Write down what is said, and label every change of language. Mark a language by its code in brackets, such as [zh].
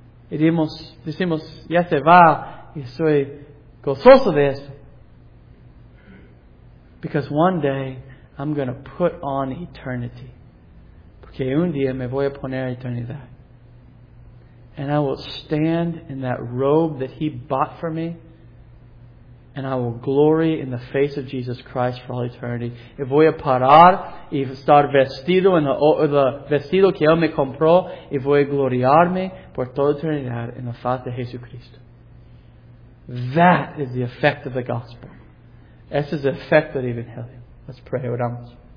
[es] Y decimos, ya se va, y soy gozoso de eso. [en] Because one day, I'm going to put on eternity. [es] Porque un día me voy a poner eternidad. [en] And I will stand in that robe that He bought for me, and I will glory in the face of Jesus Christ for all eternity. [es] Y voy a parar y estar vestido en el vestido que Él me compró, y voy a gloriarme por toda eternidad en la faz de Jesucristo. [en] That is the effect of the gospel. [es] Ese es el efecto del Evangelio. [en] Let's pray. [es] Oramos.